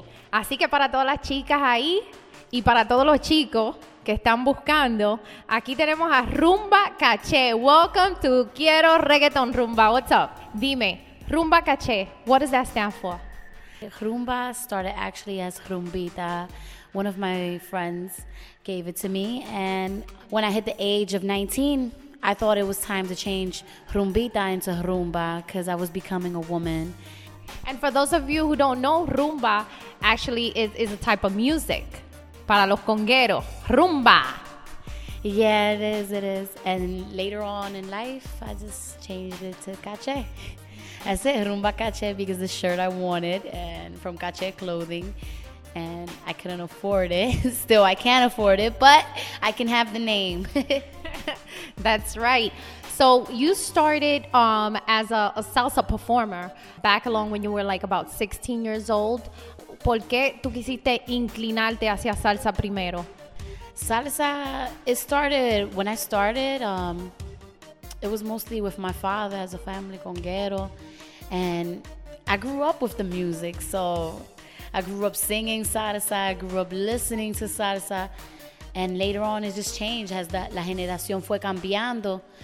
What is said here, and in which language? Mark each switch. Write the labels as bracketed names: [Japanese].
[Spanish] Así que para todas las chicas ahí y para todos los chicos que están buscando, aquí tenemos a Rumba Caché. [English] Welcome to Quiero Reggaeton, Rumba. What's up? [Spanish] Dime, [English] Rumba Caché, what does that stand for? Rumba started actually as Rumbita. One of my friends gave it to me. And when I hit the age of 19, I thought it was time to change Rumbita into Rumba because I was becoming a woman. And for those of you who don't know, Rumba actually is a type of music. [Spanish] Para los congueros, Rumba. [English] Yeah, it is, it is. And later on in life, I just changed it to Caché. I said Rumba Caché because the shirt I wanted and from Caché Clothing. and I couldn't afford it. Still, I can't afford it, but I can have the name. That's right. So you started as a salsa performer back along when you were like about 16 years old. [Spanish] ¿Por qué tú quisiste inclinarte hacia salsa primero? [English] Salsa, it started when I started. It was mostly with my father as a family conguero. And I grew up with the music. So I grew up singing salsa. I grew up listening to salsa. And later on, it just changed as [Spanish] la generación fue cambiando.